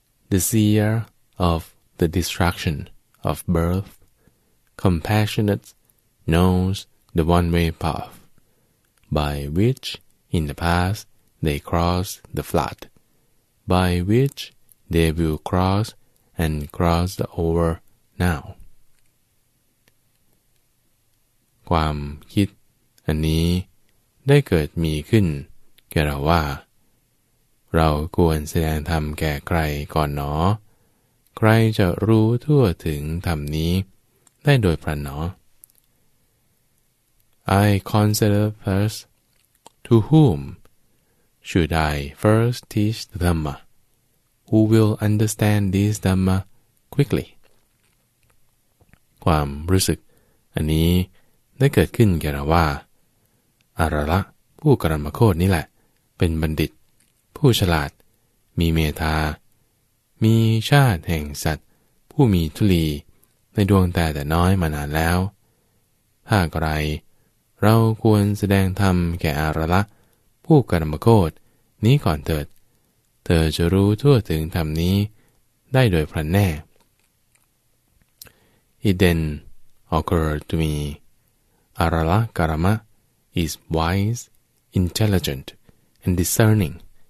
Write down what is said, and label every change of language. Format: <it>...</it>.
<en>The seer of the destruction of birth, compassionate, knows the one-way path by which in the past they crossed the flood, by which they will cross and cross over now.</en> <th>ความคิดอันนี้ได้เกิดมีขึ้นแก่เราว่าเราควรแสดงธรรมแก่ใครก่อนหนอใครจะรู้ทั่วถึงธรรมนี้ได้โดยพลันหน</th> <en>อ I consider first to whomShould I first teach the Dhamma? Who will understand this Dhamma quickly?</en> <th>ความรู้สึกอันนี้ได้เกิดขึ้นแก่เราว่าอารละผู้กรรมโคตรนี่แหละเป็นบัณฑิตผู้ฉลาดมีเมตตามีชาติแห่งสัตว์ผู้มีทุลีในดวงตาแต่น้อยมานานแล้วถ้าใครเราควรแสดงธรรมแก่อารละผู้กรรมโคตรนี้ก่อนเถิดเธอจะรู้ทั่วถึงธรรมนี้ได้โดยพลันแน่</th> <en>It then occurred to me, Arala Karma is wise, intelligent, and discerning.</en>